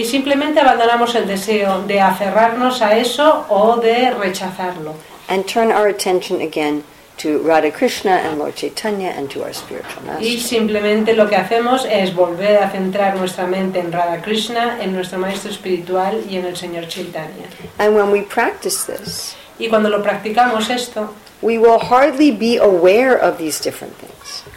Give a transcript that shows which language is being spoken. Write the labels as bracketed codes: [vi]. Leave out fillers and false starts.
[es] Y simplemente abandonamos el deseo de aferrarnos a eso o de rechazarlo. [en] And turn our attention again to Radha Krishna and Lord Chaitanya and to our spiritual master. [es] Y simplemente lo que hacemos es volver a centrar nuestra mente en Radha Krishna, en nuestro maestro espiritual y en el señor Chaitanya. [en] And when we practice this, [es] y cuando lo practicamos esto, [en] we will hardly be aware of these different things.